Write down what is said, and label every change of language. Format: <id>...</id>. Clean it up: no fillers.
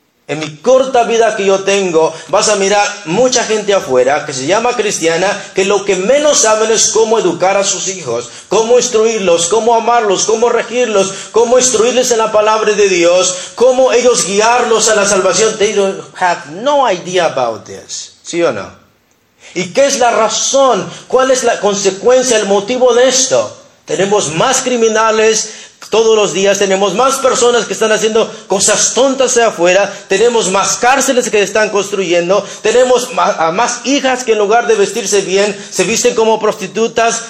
<es>En mi corta vida que yo tengo, vas a mirar mucha gente afuera que se llama cristiana, que lo que menos saben es cómo educar a sus hijos, cómo instruirlos, cómo amarlos, cómo regirlos, cómo instruirles en la palabra de Dios, cómo ellos guiarlos a la salvación.</es> <en>They don't have no idea about this.</en> <es>¿Sí o no? ¿Y qué es la razón? ¿Cuál es la consecuencia, el motivo de esto? Tenemos más criminales. Todos los días tenemos más personas que están haciendo cosas tontas allá afuera. Tenemos más cárceles que están construyendo. Tenemos más hijas que en lugar de vestirse bien, se visten como prostitutas.</es>